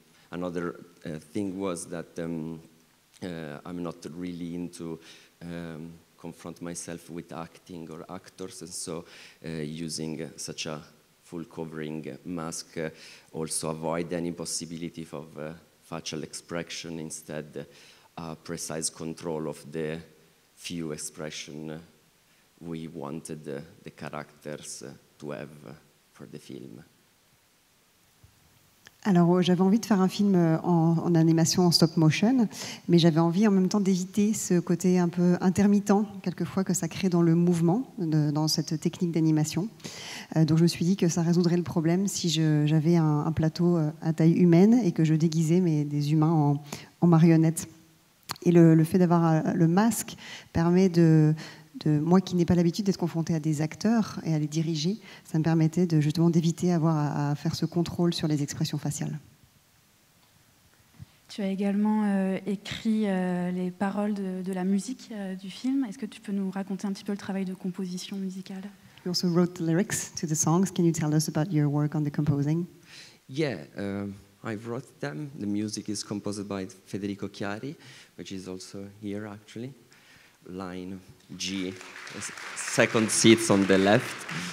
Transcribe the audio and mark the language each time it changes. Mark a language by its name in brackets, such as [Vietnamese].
[English] another thing was that I'm not really into confront myself with acting or actors, and so using such a full covering mask also avoid any possibility of facial expression, instead a precise control of the few expression we wanted the characters to have for the film. [French] Alors, j'avais envie de faire un film en animation, en stop motion, mais j'avais envie en même temps d'éviter ce côté un peu intermittent, quelquefois, que ça crée dans le mouvement, dans cette technique d'animation. Donc, je me suis dit que ça résoudrait le problème si j'avais un plateau à taille humaine et que je déguisais des humains en marionnettes. Et le fait d'avoir le masque permet de moi qui n'ai pas l'habitude d'être confrontée à des acteurs et à les diriger, ça me permettait d'éviter d'avoir à faire ce contrôle sur les expressions faciales. Tu as également écrit les paroles de la musique du film. Est-ce que tu peux nous raconter un petit peu le travail de composition musicale? [English] You also wrote the lyrics to the songs. Can you tell us about your work on the composing? Yeah, I wrote them. The music is composed by Federico Chiari, which is also here, actually. Line G, second seats on the left.